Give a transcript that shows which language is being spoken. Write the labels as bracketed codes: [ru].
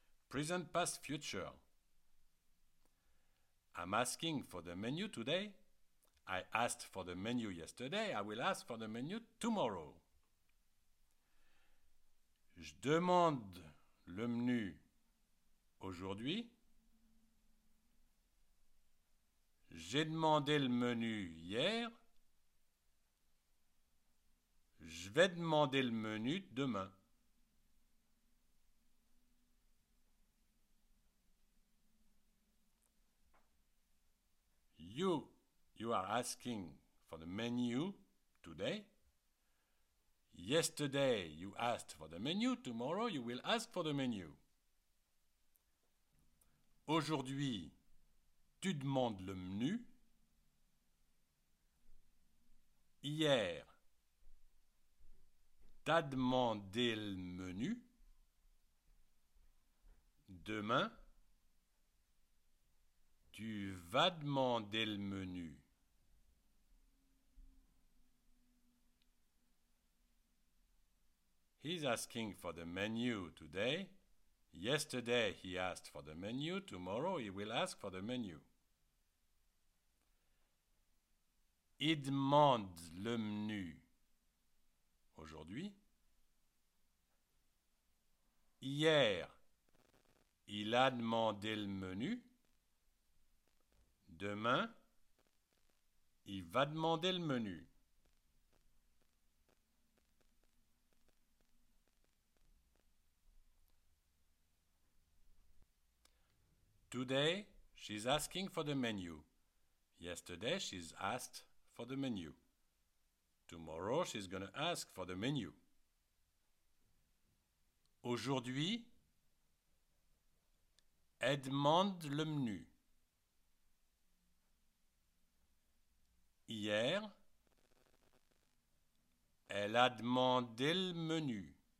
[en] Present past future. I'm asking for the menu today. I asked for the menu yesterday. I will ask for the menu tomorrow. [fr] Je demande le menu aujourd'hui. J'ai demandé le menu hier. Je vais demander le menu demain. [en] You are asking for the menu today. Yesterday, you asked for the menu. Tomorrow, you will ask for the menu. [fr] Aujourd'hui, tu demandes le menu. Hier, t'as demandé le menu. Demain, tu vas demander le menu. [en] He's asking for the menu today. Yesterday he asked for the menu. Tomorrow he will ask for the menu. [fr] Il demande le menu aujourd'hui. Hier, il a demandé le menu. Demain, il va demander le menu. [en] Today, she's asking for the menu. Yesterday, she's asked for the menu. Tomorrow, she's going to ask for the menu. [fr] Aujourd'hui, elle demande le menu. Hier, elle a demandé le menu.